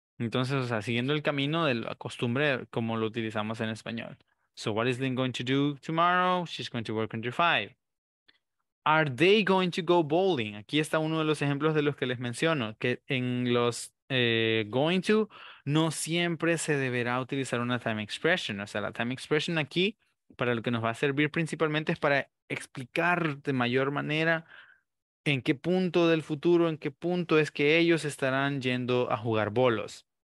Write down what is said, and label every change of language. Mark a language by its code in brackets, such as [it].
[es] Entonces, o sea, siguiendo el camino de la costumbre como lo utilizamos en español. [en] So, what is Lynn going to do tomorrow? She's going to work until 5. Are they going to go bowling? [es] Aquí está uno de los ejemplos de los que les menciono, que en los going to no siempre se deberá utilizar una time expression. O sea, la time expression aquí para lo que nos va a servir principalmente es para explicar de mayor manera en qué punto del futuro, en qué punto es que ellos estarán yendo a jugar bolos.